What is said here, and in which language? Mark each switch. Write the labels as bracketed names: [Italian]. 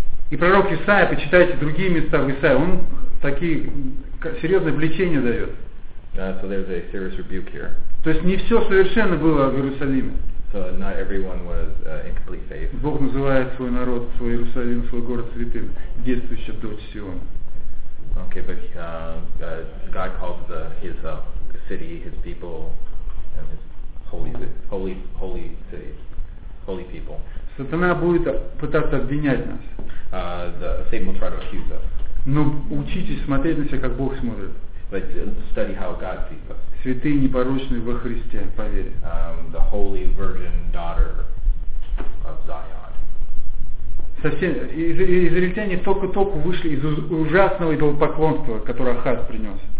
[Russian] И пророк Исаия, почитайте другие места в Исаии, он такие серьезные влечения дает. [English] So there's a serious rebuke here. [Russian] То есть не все совершенно было в Иерусалиме. [English] Not everyone was in complete faith. [Russian] Бог называет свой народ, свой Иерусалим, свой город святым, действующая дочь Сиона. [English] Okay, but God calls His city, His people, and His holy city, holy people. [Russian] Сатана будет пытаться обвинять нас. [English] Satan will try to accuse us. [Russian] Но учитесь смотреть на себя, как Бог смотрит. [English] But study how God sees us. [Russian] Святые непорочные во Христе, поверь. [English] The holy virgin daughter of Zion. [Russian] Израильтяне только-только вышли из ужасного идолопоклонства, которое Ахаз принес.